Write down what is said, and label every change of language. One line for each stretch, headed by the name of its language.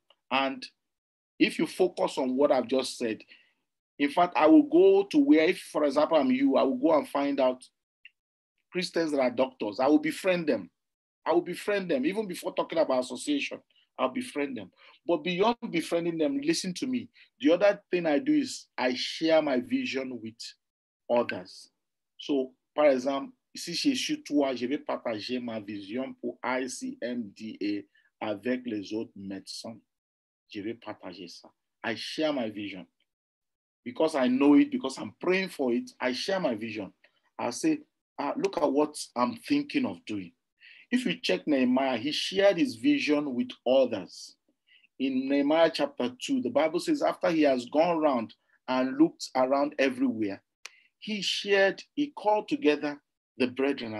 English: And if you focus on what I've just said, in fact, I will go to where, if, for example, I'm you, I will go and find out Christians that are doctors. I will befriend them. I will befriend them. Even before talking about association, I'll befriend them. But beyond befriending them, listen to me. The other thing I do is I share my vision with others.
French: So, par exemple, si je suis toi, je vais partager ma vision pour ICMDA avec les autres médecins. Je vais partager ça.
English: I share my vision. Because I know it, because I'm praying for it, I share my vision. I say, look at what I'm thinking of doing. If you check Nehemiah, he shared his vision with others. In Nehemiah chapter 2, the Bible says, after he has gone around and looked around everywhere, he called together the brethren.